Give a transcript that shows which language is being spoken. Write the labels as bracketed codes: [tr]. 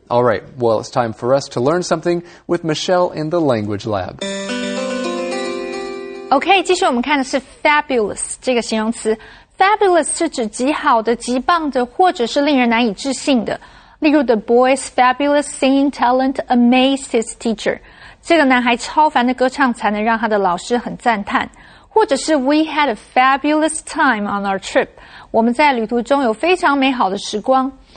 [en] All right, well, it's time for us to learn something with Michelle in the Language Lab. [zh] Okay, 继续我们看的是 fabulous 这个形容词。Fabulous 是指极好的、极棒的，或者是令人难以置信的。例如 [en] ，The boy's fabulous singing talent amazed his teacher. [zh] 这个男孩超凡的歌唱才能让他的老师很赞叹。或者是 [en] ，We had a fabulous time on our trip. [zh] 我们在旅途中有非常美好的时光。